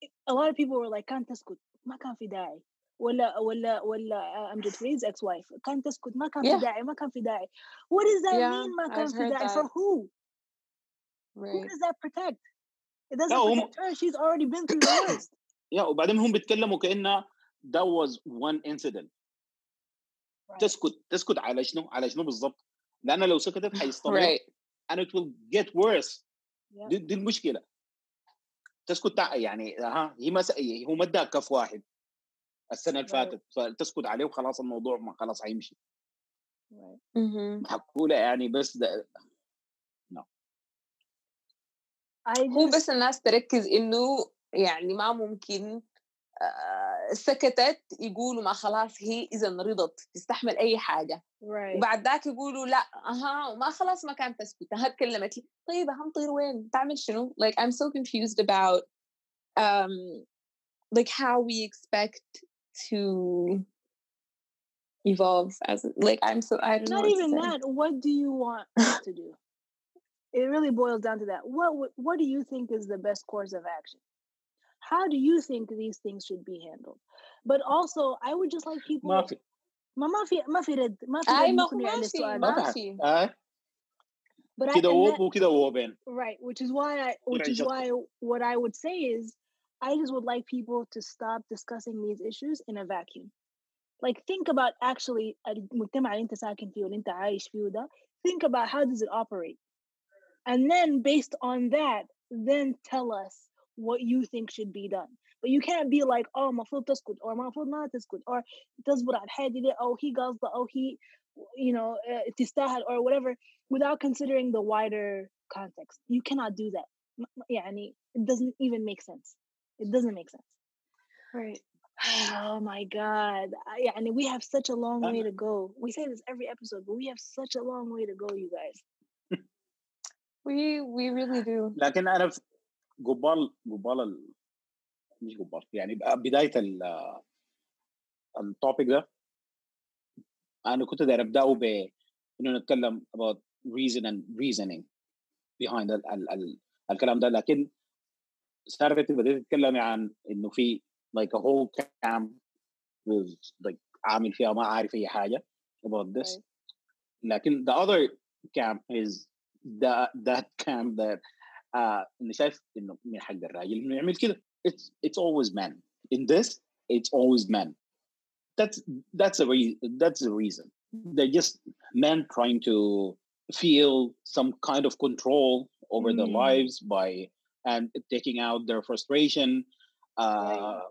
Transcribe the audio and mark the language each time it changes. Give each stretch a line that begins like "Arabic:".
English: A lot of people were like,
Arabic: كان تسكت ما كان في داعي. ولا أمجد فريد's ex-wife كان تسكت ما كان في داعي ما كان في داعي.
English: What does that mean
Arabic: ما كان في داعي
English: for who? Right. Who does that protect? It doesn't protect her. She's already been through the worst. Yeah,
Arabic: وبعدين هم بيتكلموا كأنه
English: that was one incident. Right.
Arabic: تسكت على شنو بالضبط؟ لأن لو سكتت حيستمر
English: right. and it will get worse. Yeah.
Arabic: دي المشكلة. تسكت يعني ها هي ما سأيه هو مدى كف واحد. السنة اللي فاتت فتسكت عليه وخلاص الموضوع ما خلاص هيمشي. حقولة يعني بس هو بس الناس تركز إنه يعني ما ممكن سكتت يقولوا ما خلاص هي إذا رضت تستحمل أي حاجة وبعد ذاك يقولوا لا أها وما خلاص ما كانت تسكت ها تكلمت لي طيب هم طير وين تعمل شنو
English: like I'm so confused about like how we expect to evolve as like I'm so I don't not know even that what do you want to do it really boils down to that what do you think is the best course of action how do you think these things should be handled but also I would just like people which is why what I would say is I just would like people to stop discussing these issues in a vacuum. Like, think about actually
Arabic: المجتمع اللي انت ساكن فيه واللي انت عايش فيه ده.
English: Think about how does it operate. And then based on that, then tell us what you think should be done. But you can't be like, oh,
Arabic: مفروض تسكت,
English: or
Arabic: مفروض ما تسكت,
English: or
Arabic: تصبر على حد ده,
English: oh, he
Arabic: قصد,
English: oh, he, you know,
Arabic: تستاهل,
English: or whatever, without considering the wider context. You cannot do that.
Arabic: يعني,
English: it doesn't even make sense. It doesn't make sense. Right. Oh my God.
Arabic: يعني
English: we have such a long way to go. We say this every episode, but we have such a long way to go, you guys. we really do.
Arabic: لكن أنا في قبال ال مش قبال يعني بداية ال topic ده أنا كنت داير أبدأه ب إنه نتكلم
English: about reason and reasoning behind
Arabic: الكلام ده لكن صارت بدأت تتكلمي عن إنه في
English: like a whole camp was like
Arabic: عامل فيها ما عارف أي حاجة
English: about this right.
Arabic: لكن
English: the other camp is that camp that
Arabic: نشايف إنه من حق الراجل إنه يعمل كده
English: it's always men in this it's always men that's a reason they're just men trying to feel some kind of control over their lives by and taking out their frustration, right.